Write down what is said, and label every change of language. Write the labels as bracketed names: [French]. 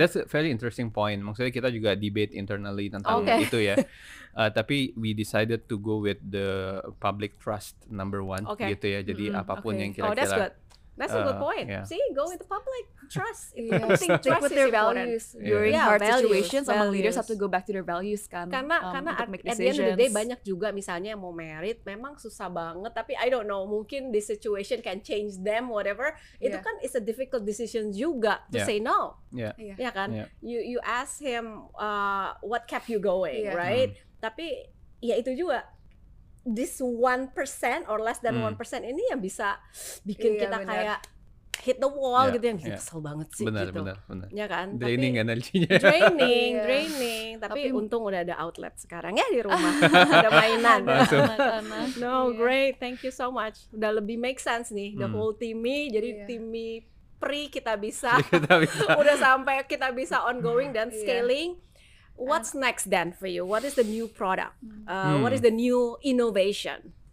[English] That's a very interesting point. [Indonesian] Maksudnya kita juga debate internally tentang itu ya. [English] Tapi we decided to go with the public trust number one gitu ya. [Indonesian] Jadi apapun yang kira-kira. [English] Oh, that's good. That's a good point. Yeah. See, go with the public trust. Stick with their values. During hard situations, some leaders have to go back to their values kan. [Indonesian] Karena [English] at the end of the day [Indonesian] banyak juga misalnya yang mau merit, memang susah banget. [English] Tapi I don't know, mungkin the situation can change them whatever. Itu kan it's a difficult decision juga to say no. Yeah. Kan? Yeah. You ask him what kept you going, right? [Indonesian] Mm. Tapi ya itu juga. [English] This 1% or less than 1% [Indonesian] ini yang bisa bikin kita kayak [English] hit the wall [Indonesian] gitu yang kesel banget sih benar. Ya kan? Draining energinya. [English] Draining. [Indonesian] Tapi untung udah ada outlet sekarang ya di rumah. Ada mainan. [English] No, great. Thank you so much. [Indonesian] Udah lebih make sense nih. The whole teamy, jadi teamy pre kita bisa. Udah sampai kita bisa ongoing dan scaling. [English] What's next then for you? What is the new product? What is the new innovation?